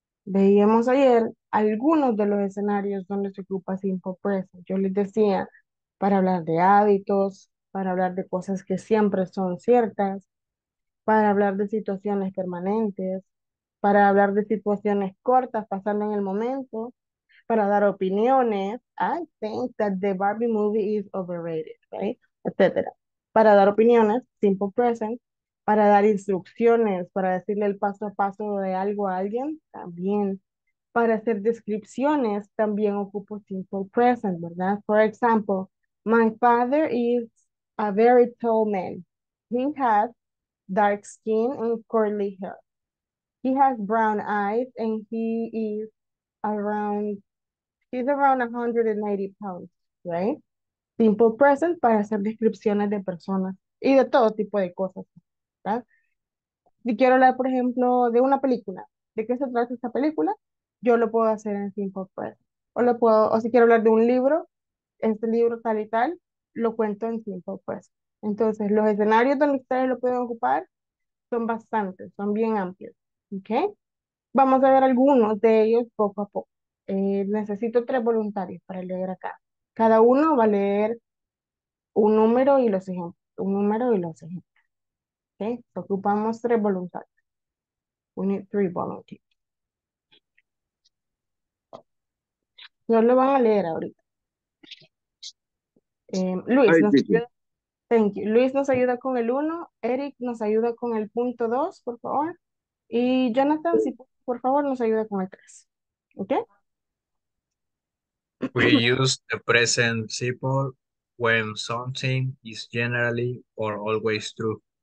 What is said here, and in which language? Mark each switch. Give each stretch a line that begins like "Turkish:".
Spanish: Veíamos ayer algunos de los escenarios donde se ocupa simple present. Yo les decía, para hablar de hábitos, para hablar de cosas que siempre son ciertas, para hablar de situaciones permanentes, para hablar de situaciones cortas pasando en el momento, para dar opiniones.
English: I think that the Barbie movie is overrated, right?
Spanish: Etcétera. Para dar opiniones, simple present. Para dar instrucciones, para decirle el paso a paso de algo a alguien, también. Para hacer descripciones, también ocupo simple present, ¿verdad?
English: For example, my father is a very tall man. He has dark skin and curly hair. He has brown eyes and he's around 180 pounds, right?
Spanish: Simple present para hacer descripciones de personas y de todo tipo de cosas, ¿verdad? Si quiero hablar, por ejemplo, de una película, ¿de qué se trata esta película? Yo lo puedo hacer en simple present. O si quiero hablar de un libro, este libro tal y tal, lo cuento en simple present. Entonces, los escenarios donde ustedes lo pueden ocupar son bastantes, son bien amplios. ¿Ok? Vamos a ver algunos de ellos poco a poco. Necesito tres voluntarios para leer acá. Cada uno va a leer un número y los ejemplos. Un número y los ejemplos. ¿Ok? Ocupamos tres voluntarios.
English: We need three volunteers.
Spanish: No lo van a leer ahorita. Luis, nos ayuda.
English: Thank you.
Spanish: Luis nos ayuda con el 1. Eric nos ayuda con el punto 2, por favor. Y Jonathan, si por favor nos ayuda con el 3. ¿Ok?
English: We use the present simple when something is generally or always true.